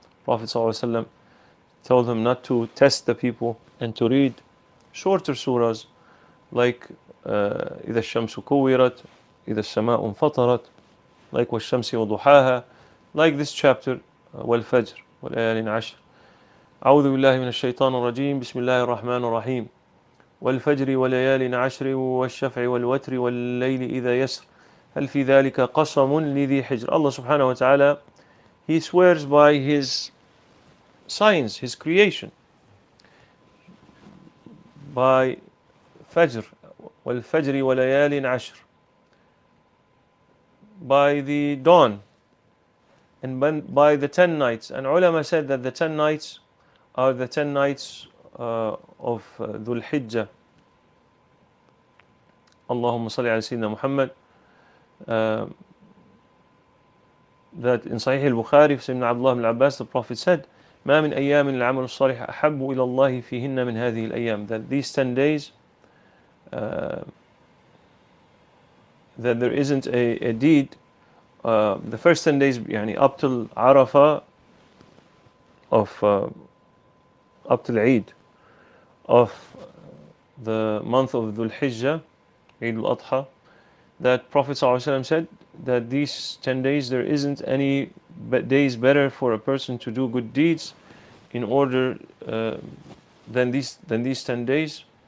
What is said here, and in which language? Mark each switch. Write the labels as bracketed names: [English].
[English] Prophet ﷺ told him not to test the people and to read shorter surahs like [Arabic] إِذَا الشَّمْسُ كُوِّرَتْ إِذَا السَّمَاءُ انْفَطَرَتْ [English] like [Arabic] وَالشَّمْسِ وَضُحَاهَا [English] like this chapter [Arabic] والفجر والآيالين عشر. أعوذ بالله من الشيطان الرجيم بسم الله الرحمن الرحيم والفجر وليال عشر والشفع والوتر والليل إذا يسر هل في ذلك قسم لذي حجر. الله سبحانه وتعالى [English] he swears by his signs, his creation, by [Arabic] فجر والفجر وليال عشر, [English] by the dawn and by the ten nights. And ulama said that the ten nights are the 10 nights of Dhul Hijjah. [Arabic] Allahumma salli ala Sayyidina Muhammad. [English] That in Sayyid al-Bukhari, Sayyidina Abdullah ibn Abbas, the Prophet said, [Arabic] مَا مِنْ أَيَّامٍ الْعَمَلُ الصَّالِحَ أَحَبُّ إِلَى اللَّهِ فِيهِنَّ مِنْ هَذِهِ الْأَيَّامِ. [English] That these 10 days, that there isn't a deed. The first 10 days, يعني, up till Arafah of up to Eid of the month of Dhul Hijjah, Eid al-Adha, that Prophet ﷺ said that these 10 days there isn't any days better for a person to do good deeds in order than these 10 days.